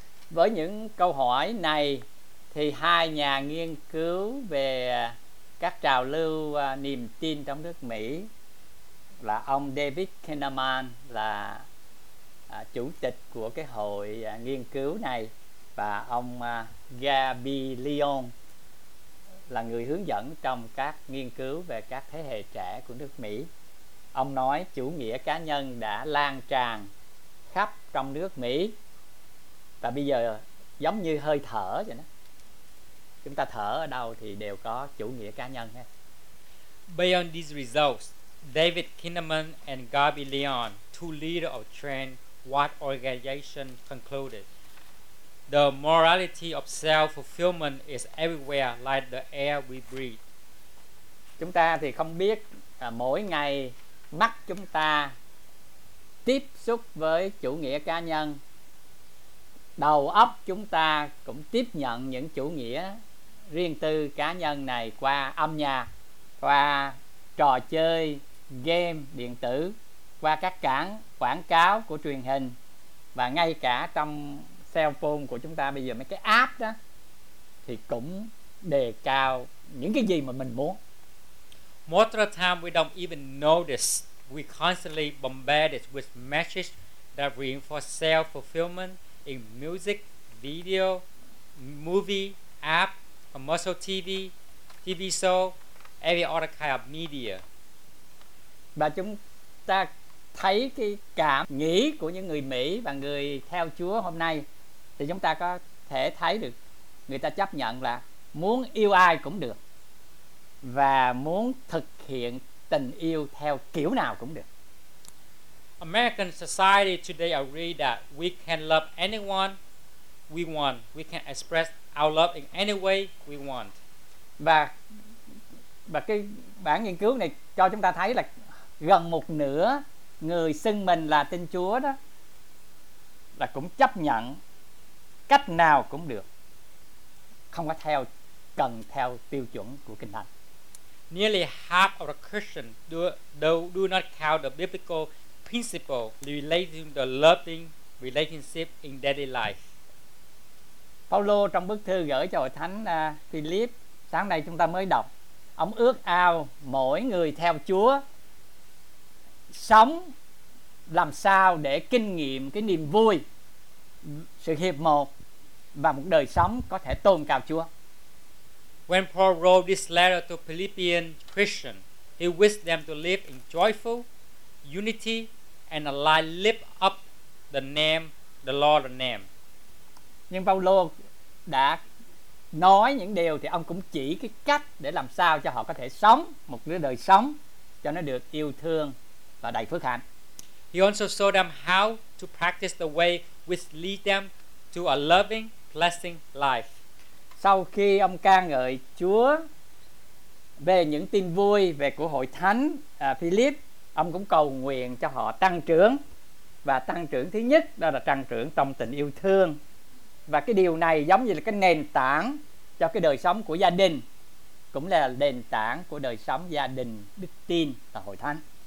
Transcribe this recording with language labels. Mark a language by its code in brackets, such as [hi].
[vi] Với những câu hỏi này thì hai nhà nghiên cứu về các trào lưu niềm tin trong nước Mỹ là ông David Kahneman là chủ tịch của cái hội nghiên cứu này, và ông Gabby Leon là người hướng dẫn trong các nghiên cứu về các thế hệ trẻ của nước Mỹ. Ông nói chủ nghĩa cá nhân đã lan tràn khắp trong nước Mỹ, và bây giờ giống như hơi thở vậy đó. Chúng ta thở ở đâu thì đều có chủ nghĩa cá nhân ha. [en] Beyond these results, David Kahneman and Gabby Leon, two leaders of trend, what organization concluded. The morality of self-fulfillment is everywhere, like the air we breathe. [vi] Chúng ta thì không biết mỗi ngày mắt chúng ta tiếp xúc với chủ nghĩa cá nhân, đầu óc chúng ta cũng tiếp nhận những chủ nghĩa riêng tư cá nhân này qua âm nhạc, qua trò chơi, game điện tử, qua các cảng quảng cáo của truyền hình, và ngay cả trong cell phone của chúng ta bây giờ mấy cái app đó thì cũng đề cao những cái gì mà mình muốn. [en] Most of the time we don't even notice, we constantly bombarded with messages that reinforce self-fulfillment in music, video, movie, app, commercial TV, TV show, every other kind of media. [vi] Và chúng ta thấy cái cảm nghĩ của những người Mỹ và người theo Chúa hôm nay, thì chúng ta có thể thấy được người ta chấp nhận là muốn yêu ai cũng được và muốn thực hiện tình yêu theo kiểu nào cũng được. [en] American society today agree that we can love anyone we want. We can express our love in any way we want. [vi] Và cái bản nghiên cứu này cho chúng ta thấy là gần một nửa người xưng mình là tin Chúa đó là cũng chấp nhận cách nào cũng được, không có theo cần theo tiêu chuẩn của Kinh Thánh. [en] Nearly half of the Christians do not count the biblical principle relating the loving relationship in daily life. [vi] Paulo trong bức thư gửi cho hội thánh Philip sáng nay chúng ta mới đọc, ông ước ao mỗi người theo Chúa sống làm sao để kinh nghiệm cái niềm vui, sự hiệp một và một đời sống có thể tôn cao Chúa. [en] When Paul wrote this letter to Philippian Christians, he wished them to live in joyful unity and a life lift up the name, the Lord's name. [vi] Nhưng Paulo đã nói những điều thì ông cũng chỉ cái cách để làm sao cho họ có thể sống một cái đời sống cho nó được yêu thương và đầy phước hạnh. [en] He also showed them how to practice the way which lead them to a loving, blessing life. [vi] Sau khi ông ca ngợi Chúa về những tin vui về của hội thánh Philip, ông cũng cầu nguyện cho họ tăng trưởng. Và tăng trưởng thứ nhất đó là tăng trưởng trong tình yêu thương. Và cái điều này giống như là cái nền tảng cho cái đời sống của gia đình, cũng là nền tảng của đời sống gia đình, đức tin và hội thánh.